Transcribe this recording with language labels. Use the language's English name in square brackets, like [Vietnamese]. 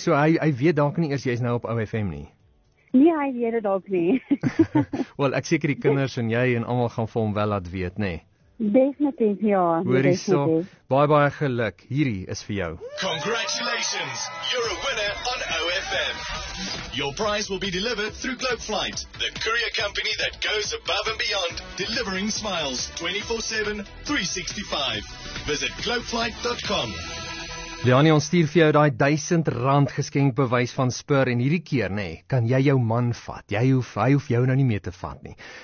[Afrikaans] so hy weet dalk nie eers jy is nou op OFM nie? Nee, hy weet dit dalk nie. Wel, ek seker die kinders en jy en almal gaan vir hom wel laat weet, nee. Definitief, ja. Hoorie, baie, baie geluk. Hierdie is vir jou. [English] Congratulations, you're a winner on OFM. Your prize will be delivered through Globe Flight, the courier company that goes above and beyond, delivering smiles 24/7, 365. Visit globeflight.com. [Afrikaans] Leoni, ons stuur vir jou die 1000 rand geskenkbewys van Spur en hierdie keer, nee, kan jy jou man vat. Hy hoef jou nou nie meer te vat nie.